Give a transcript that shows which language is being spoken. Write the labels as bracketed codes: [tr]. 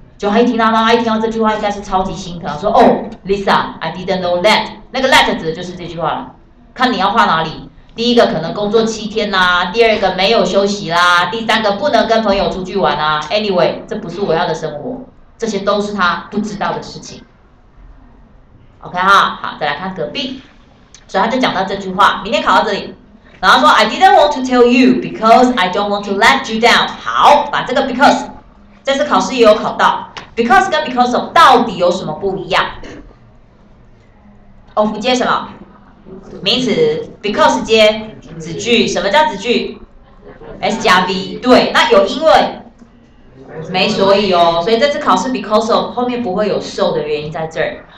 [zh] 就他一听到妈妈一听到这句话，应该是超级心疼，说：“哦 ， [en] Lisa， I didn't know that。” [zh] 那个 that 指的就是这句话了。看你要画哪里，第一个可能工作七天啦，第二个没有休息啦，第三个不能跟朋友出去玩啦。 Anyway， 这不是我要的生活，这些都是他不知道的事情。 OK 哈，好，再来看隔壁，所以他就讲到这句话，明天考到这里，然后说 [en] I didn't want to tell you because I don't want to let you down。 [zh] 好，把这个 because， 这次考试也有考到 ，because 跟 because of 到底有什么不一样 ？of 接什么？名词 ，because 接子句，什么叫子句 ？S 加 V， 对，那有因为，没所以哦，所以这次考试 because of 后面不会有 so 的原因在这儿。